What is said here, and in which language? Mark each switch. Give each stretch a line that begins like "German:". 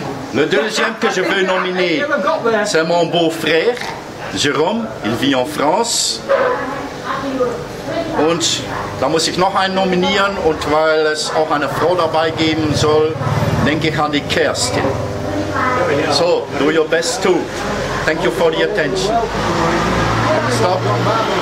French: le deuxième que je veux nominer, c'est mon beau frère, Jérôme, il vit en France.
German: Und da muss ich noch einen nominieren, und weil es auch eine Frau dabei geben soll, denke ich an die Kerstin.
English: So, do your best too. Thank you for the attention. Stop.